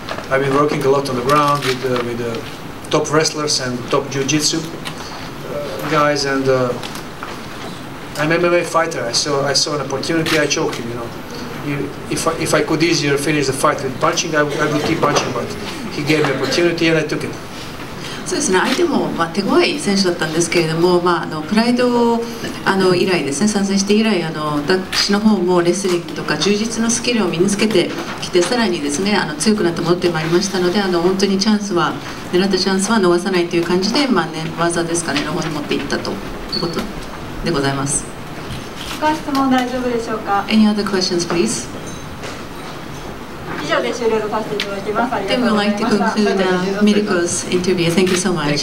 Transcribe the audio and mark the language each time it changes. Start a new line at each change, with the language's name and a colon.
English: I've been working a lot on the ground with top wrestlers and top jiu-jitsu guys, and I'm an MMA fighter. I saw an opportunity. I choked him. You know, if I could easier finish the fight with punching, I would keep punching, but. He gave me opportunity and I took it.
Japanese: そうですね、相手も、まあ、手強い選手だったんですけれども、まあ、プライド以来ですね、参戦して以来私の方もレスリングとか充実のスキルを身につけてきて、さらにですね強くなって戻ってまいりましたので、本当にチャンスは狙ったチャンスは逃さないという感じで、まあね、技ですかね、の方に持っていったということでございます。他質問大丈夫でしょうか？
English: Any other questions, please?
Japanese: 以上で終了とさせていただきます。ありがとうございました。
English: Then we'd like to conclude Mirko's interview. Thank you so much.